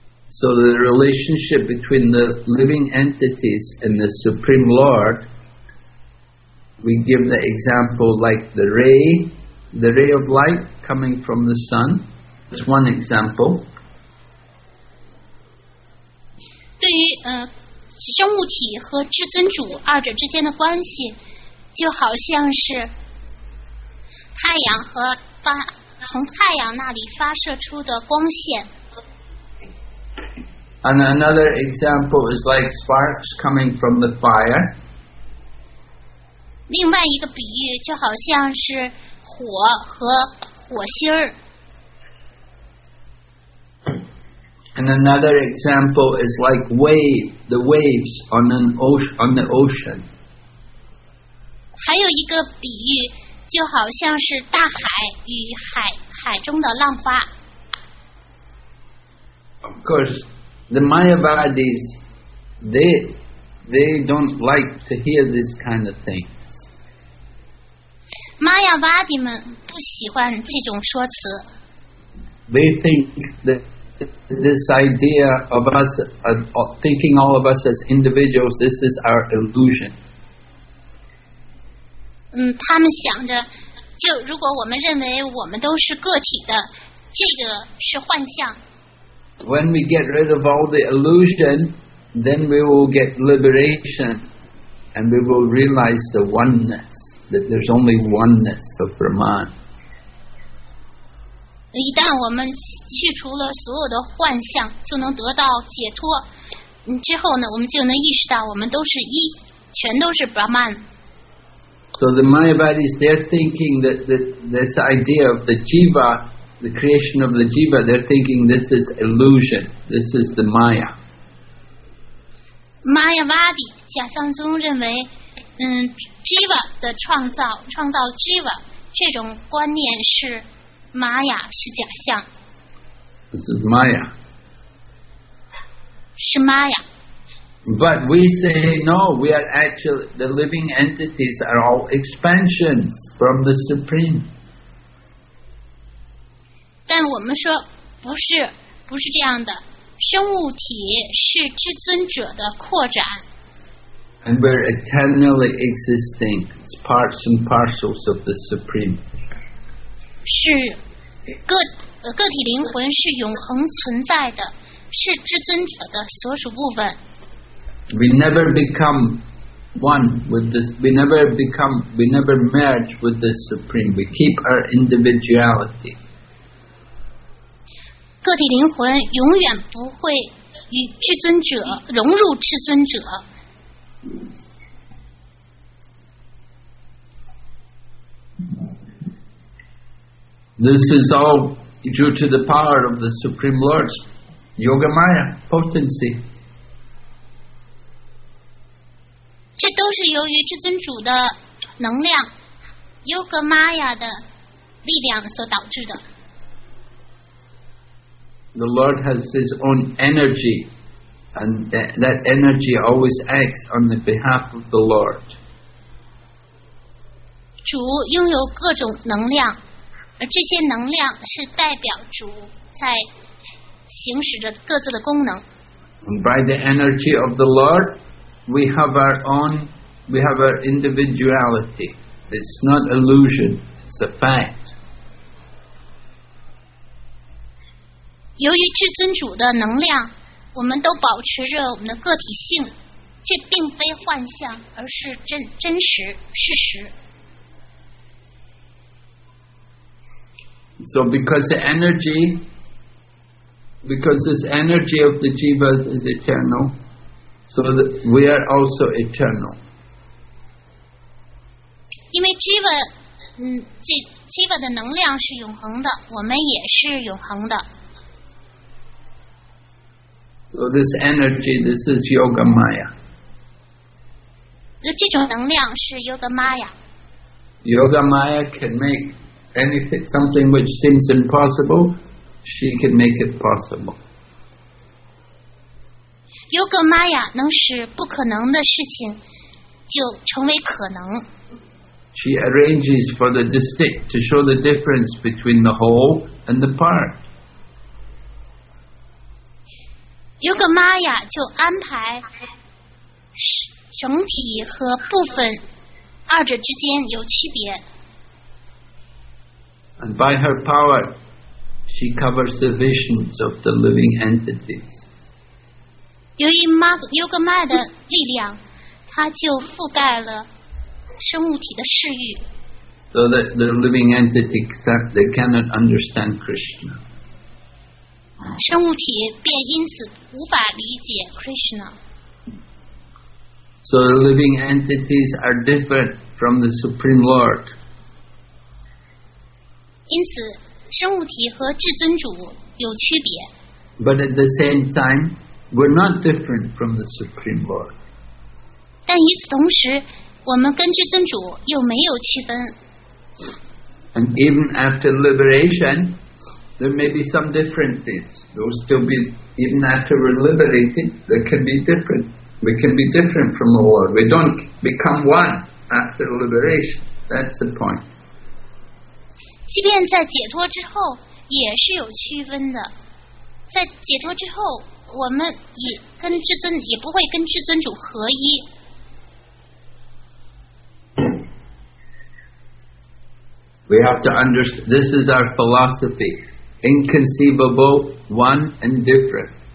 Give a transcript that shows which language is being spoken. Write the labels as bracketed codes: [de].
[en] So the relationship between the living entities and the Supreme Lord, we give the example like the ray of light coming from the sun. That's one example. [zh] 对于生物体和至尊主二者之间的关系，就好像是太阳和发从太阳那里发射出的光线。 [en] And another example is like sparks coming from the fire. [zh] 另外一个比喻就好像是火和火星儿。 [en] And another example is like the waves on on the ocean. [zh] 还有一个比喻就好像是大海与海中的浪花。 [en] Of course, the Mayavadis, they don't like to hear this kind of things. [zh] Mayavadi 们不喜欢这种说辞。 [en] They think that this idea of us, of thinking all of us as individuals, this is our illusion. [zh] 他们想着，就如果我们认为我们都是个体的，这个是幻象。 [en] When we get rid of all the illusion, then we will get liberation, and we will realize the oneness, that there's only oneness of Brahman. [zh] 一旦我们去除了所有的幻象，就能得到解脱。之后呢，我们就能意识到我们都是一，全都是 Brahman。 [en] So the Mayavadis, they're thinking that this idea of the jiva, the creation of the jiva, they're thinking this is illusion, this is the Maya. [zh] Mayavadi, 假象宗认为，jiva 的创造 jiva 这种观念是 Maya 是假象。 [en] This is Maya. [zh] 是 Maya。 [en] But we say, no, we are actually, the living entities are all expansions from the Supreme. [zh] 但我们说不是这样的，生物体是至尊者的扩展。 [en] And we're eternally existing, it's parts and parcels of the Supreme. [zh] 是个体灵魂是永恒存在的，是至尊者的所属部分。 [en] We never become one with this. We never merge with the Supreme. We keep our individuality. [zh] 个体灵魂永远不会与至尊者融入至尊者。 [en] This is all due to the power of the Supreme Lord's Yoga Maya potency. [zh] 这都是由于至尊主的能量 Yoga Maya 的力量所导致的。 [en] The Lord has His own energy, and that energy always acts on the behalf of the Lord. [zh] 主拥有各种能量，而这些能量是代表主在行使着各自的功能。 [en] And by the energy of the Lord,we have our individuality. It's not illusion, it's a fact. [zh] 由于至尊主的能量，我们都保持着我们的个体性，这并非幻象，而是真实事实。 [en] So because this energy of the jiva is eternal,So that we are also eternal. [zh] 因为 Jiva, 这 Jiva 的能量是永恒的，我们也是永恒的。 [en] So this energy, this is Yoga Maya. [zh] 这种能量是 Yoga Maya. [en] Yoga Maya can make anything, something which seems impossible, she can make it possible. [zh] Yoga Maya 能使不可能的事情就成为可能。 [en] She arranges for the distinct to show the difference between the whole and the part. [zh] 有个妈呀就安排整体和部分二者之间有区别。 [en] And by her power, she covers the visions of the living entities. [zh] 由于妈有个妈的力量，她就覆盖了生物体的视域。 [en] So that the living entities they cannot understand Krishna. [zh] 生物体便因此无法理解 Krishna. [en] So the living entities are different from the Supreme Lord. [zh] 因此，生物体和至尊主有区别。 [en] But at the same time, we're not different from the Supreme Lord. [zh] 但与此同时，我们跟至尊主又没有区分。 [en] And even after liberation, there may be some differences. There will still be, even after we're liberated, there can be different. We can be different from the Lord. We don't become one after liberation. That's the point. [zh] 即便在解脱之后也是有区分的。在解脱之后，我们也跟至尊也不会跟至尊主合一。 [en] We have to understand, this is our philosophy, inconceivable, one and different.